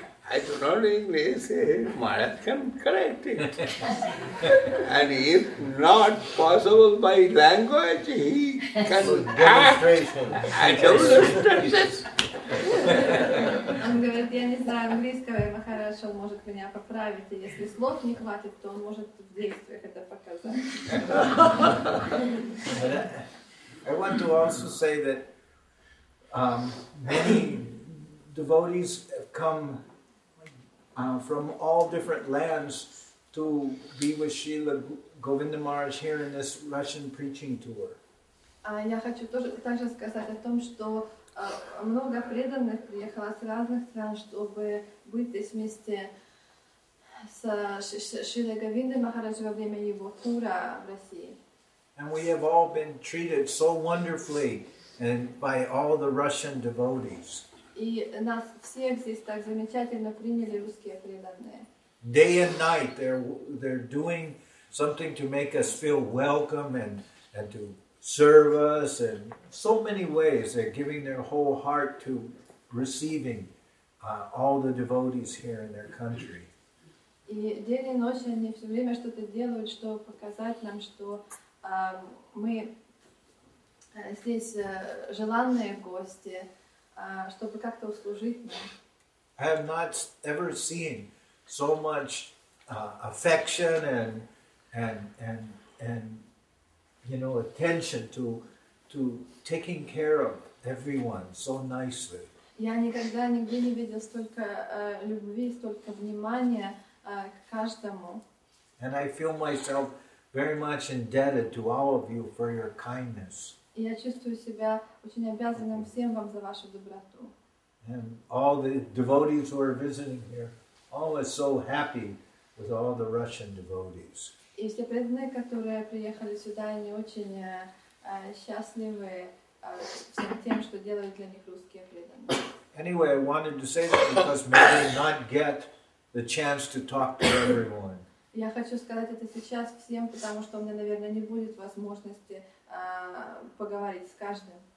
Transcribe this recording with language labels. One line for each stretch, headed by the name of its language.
English: I do not English, Mara can correct it. And if not possible by language, he can demonstration.
Russian: Он говорит, я не знаю английского, и Махарадж, он может меня поправить, и если слов не хватит, то он может в действиях это показать.
English: I want to also say that many devotees have come from all different lands to be with Srila Govinda Maharaj here in this Russian preaching tour.
Russian: Я хочу также сказать о том, что много преданных приехало с разных стран, чтобы быть здесь вместе с Шрилой Говиндой Махараджи во время его тура в России.
English: And we have all been treated so wonderfully and by all the Russian devotees.
Russian: И нас всех здесь так замечательно приняли русские преданные.
English: Day and night they're doing something to make us feel welcome and to serve us in so many ways. They're giving their whole heart to receiving all the devotees here in their country.
Russian: И день и ночь они все время что-то делают, чтобы показать нам, что мы здесь желанные гости, чтобы как-то услужить нам.
English: I have not ever seen so much affection and you know, attention to taking care of everyone so nicely.
Russian: Я никогда нигде не видел столько любви, столько внимания к каждому.
English: And I feel myself very much indebted to all of you for your kindness.
Russian: Я чувствую себя очень обязанным всем вам за вашу доброту.
English: And all the devotees who are visiting here, all are so happy with all the Russian devotees.
Russian: И все преданные, которые приехали сюда, они очень счастливы всем тем, что делают для них русские преданные.
English: Anyway, I wanted to say that because maybe not get the chance to talk to everyone.
Russian: Я хочу сказать это сейчас всем, потому что у меня, наверное, не будет возможности поговорить с каждым.